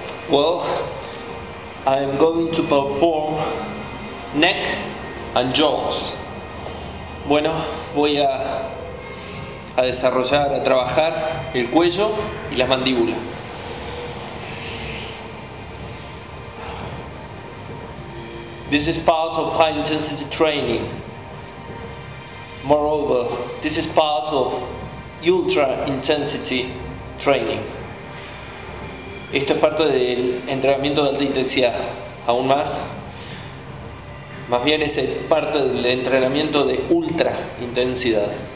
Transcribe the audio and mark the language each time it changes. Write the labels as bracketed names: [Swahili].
[English] Well, I am going to perform neck and jaws. [Spanish] Bueno, voy a desarrollar, a trabajar el cuello y las mandíbulas. [English] This is part of high intensity training. Moreover, this is part of ultra intensity training. [Spanish] Esto es parte del entrenamiento de alta intensidad. Aún más, más bien es parte del entrenamiento de ultra intensidad.